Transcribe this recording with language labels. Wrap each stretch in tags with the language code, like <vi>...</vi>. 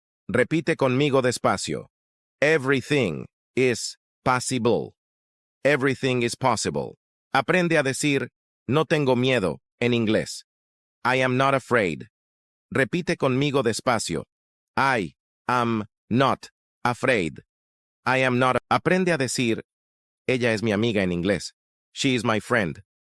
<es>Repite conmigo despacio.</es> <en>Everything is possible. Everything is possible.</en> <es>Aprende a decir, no tengo miedo, en inglés.</es> <en>I am not afraid.</en> <es>Repite conmigo despacio.</es> <en>I am not afraid. I am not afraid.</en> <es>Aprende a decir, ella es mi amiga en inglés.</es> <en>She is my friend.</en>